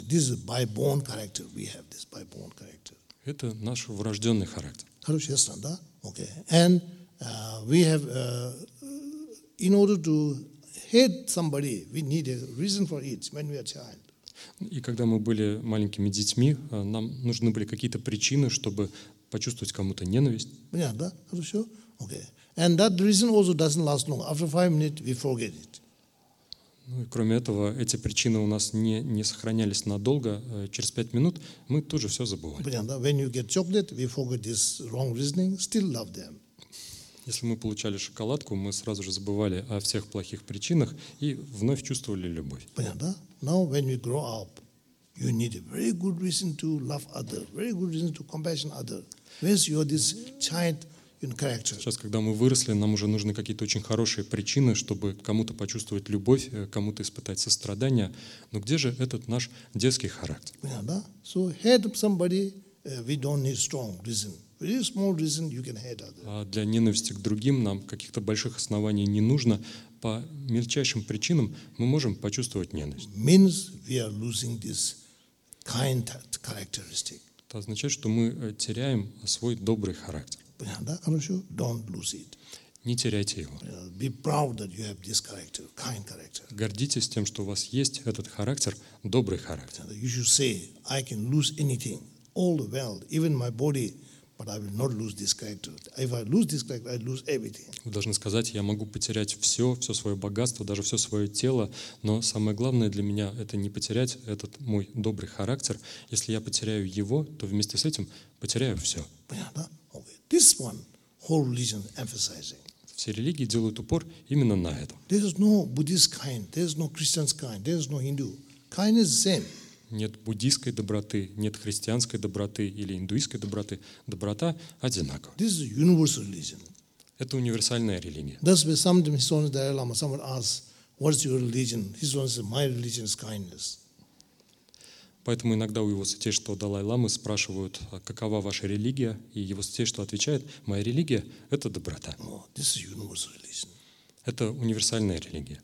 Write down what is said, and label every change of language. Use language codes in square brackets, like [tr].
[en] This is by born character. We have this by born character. [ru] Это наш врожденный характер. Хорошо, ясно, да? [en] Okay. And we have in order to hate somebody, we need a reason for it when we are a child. [ru] И когда мы были маленькими детьми, нам нужны были какие-то причины, чтобы почувствовать кому-то ненависть. Понятно, да? Хорошо? [en] Okay. And that reason also doesn't last long. After 5 minutes, we forget it. [ru] Ну и кроме этого, эти причины у нас не сохранялись надолго. Через 5 минут мы тут же все забывали. Понятно, да? [en] When you get chocolate, we forget this wrong reasoning, still love them. [ru] Если мы получали шоколадку, мы сразу же забывали о всех плохих причинах и вновь чувствовали любовь. Понятно, да? [en] Now when you grow up, you need a very good reason to love other, very good reason to compassion other. Where's your this child in character? [ru] Сейчас, когда мы выросли, нам уже нужны какие-то очень хорошие причины, чтобы кому-то почувствовать любовь, кому-то испытать сострадание. Но где же этот наш детский характер? Понятно, да? [en] So hate somebody, we don't need strong reason. Very small reason you can hate others. [ru] Для ненависти к другим нам каких-то больших оснований не нужно. По мельчайшим причинам мы можем почувствовать ненависть. [en] Means we are losing this kind characteristic. [ru] Это означает, что мы теряем свой добрый характер. Понятно, да? Хорошо? [en] Don't lose it. [ru] Не теряйте его. [en] Be proud that you have this character, kind character. [ru] Гордитесь тем, что у вас есть этот характер, добрый характер. [en] You should say, I can lose anything, all the wealth, even my body. But I will not lose this character. If I lose this character, I lose everything. [ru] Вы должны сказать, я могу потерять все, все свое богатство, даже все свое тело, но самое главное для меня это не потерять этот мой добрый характер. Если я потеряю его, то вместе с этим потеряю все. Понятно? [en] Okay. This one whole religion emphasizing. [ru] Все религии делают упор именно на этом. [en] There is no Buddhist kind, there is no Christian kind, there is no Hindu. Kind is same. [ru] Нет буддийской доброты, нет христианской доброты или индуистской доброты. Доброта одинакова. [en] This is universal religion. [ru] Это универсальная религия. [en] Thus, when sometimes His Holiness the Dalai Lama, someone asks, "What is your religion?" His Holiness says, "My religion is kindness." [ru] Поэтому иногда у его святейшества Далай Ламы спрашивают, какова ваша религия, и его святейшество отвечает: "Моя религия — это доброта." [en] No, this is universal religion. [ru] Это универсальная религия.